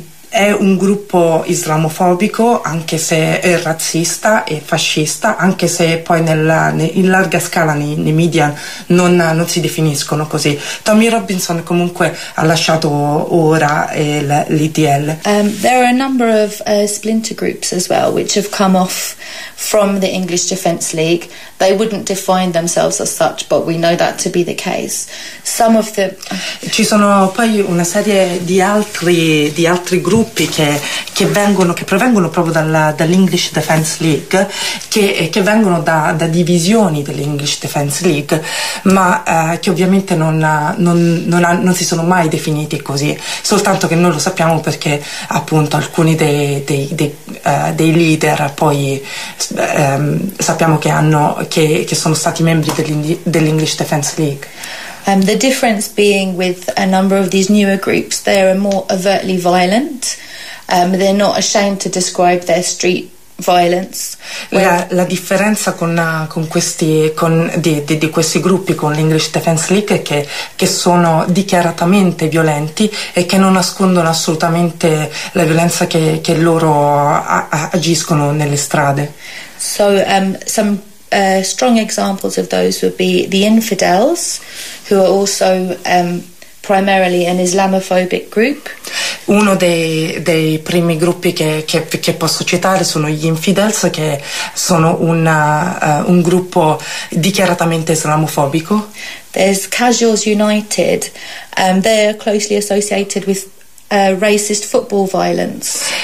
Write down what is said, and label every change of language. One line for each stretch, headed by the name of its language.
Italian: È un gruppo islamofobico, anche se è razzista e fascista, anche se poi in larga scala nei media non si definiscono così. Tommy Robinson comunque ha lasciato ora l'EDL.
English: There are a number of splinter groups as well, which have come off from the English Defence League. They wouldn't define themselves as such, but we know that to be the case. Some of the
Italian: Ci sono poi una serie di altri gruppi che provengono proprio dall'English Defence League, che vengono da divisioni dell'English Defence League, ma che ovviamente non si sono mai definiti così, soltanto che noi lo sappiamo perché appunto alcuni dei leader poi sappiamo che sono stati membri dell'English Defence League.
English: The difference being with a number of these newer groups, they are more overtly violent. They're not ashamed to describe their street violence.
Italian: La differenza con questi gruppi, con l'English Defence League, è che sono dichiaratamente violenti e che non nascondono assolutamente la violenza che loro agiscono nelle strade.
English: Some strong examples of those would be the infidels, who are also primarily an Islamophobic group.
Italian: Uno dei primi gruppi che posso citare sono gli Infidels, che sono un gruppo dichiaratamente islamofobico.
English: There's Casuals United. They're closely associated with Racist football violence.